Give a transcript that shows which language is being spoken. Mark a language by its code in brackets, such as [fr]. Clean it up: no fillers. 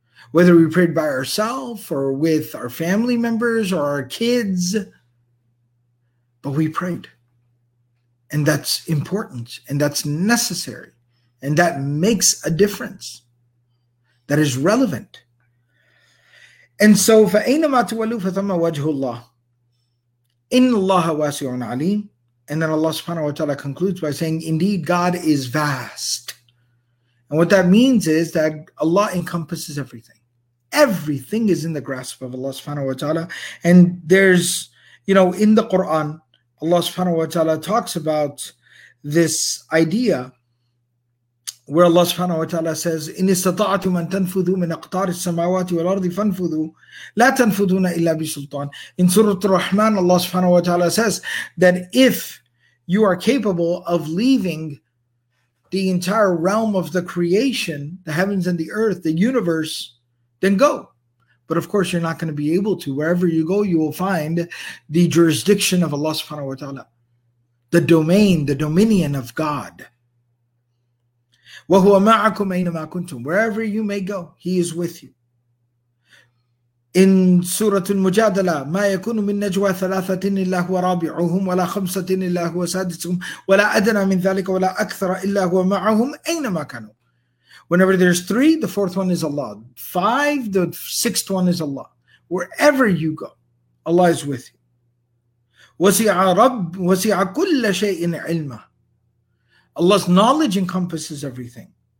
[en] Whether we prayed by ourselves or with our family members or our kids. But we prayed. And that's important. And that's necessary. And that makes a difference. That is relevant. And so, [ar] فَأَيْنَمَا تُوَلُّوا فَثَمَّ وَجْهُ اللَّهِ إِنَّ اللَّهَ وَاسِعٌ عَلِيمٌ. [en] And then Allah subhanahu wa ta'ala concludes by saying, indeed, God is vast. And what that means is that Allah encompasses everything. Everything is in the grasp of Allah subhanahu wa ta'ala. And there's, you know, in the Quran, Allah subhanahu wa ta'ala talks about this idea where Allah subhanahu wa ta'ala says, [ar] إِنْ إِسْتَطَعْتُمْ أَنْ تَنْفُذُوا مِنْ أَقْطَارِ السَّمَاوَاتِ وَالْأَرْضِ فَانْفُذُوا لَا تَنْفُذُونَ إِلَّا بِسُلْطَانِ. [en] In Surah Ar-Rahman, Allah subhanahu wa ta'ala says that if you are capable of leaving the entire realm of the creation, the heavens and the earth, the universe, then go. But of course, you're not going to be able to. Wherever you go, you will find the jurisdiction of Allah subhanahu wa ta'ala, the domain, the dominion of God. [ar] وَهُوَ مَعَكُمْ أَيْنَمَا كُنْتُمْ. [en] Wherever you may go, He is with you. [ar] In Surah Al-Mujadala, مَا يَكُنُ مِنْ نَجْوَى ثَلَاثَةٍ إِلَّا هُوَ رَابِعُهُمْ وَلَا خَمْسَةٍ إِلَّا هُوَ سَادِسُهُمْ وَلَا أَدْنَى مِنْ ذَلِكَ وَلَا أَكْثَرَ إِلَّا هُوَ مَعَهُمْ أَيْنَمَا كَانُوا. [en] Whenever there's three, the fourth one is Allah. Five, the sixth one is Allah. Wherever you go, Allah is with you. [ar] وَسِعَ رَبُّ وَسِعَ كُلَّ شَيْءٍ عِلْمًا. [en] Allah's knowledge encompasses everything.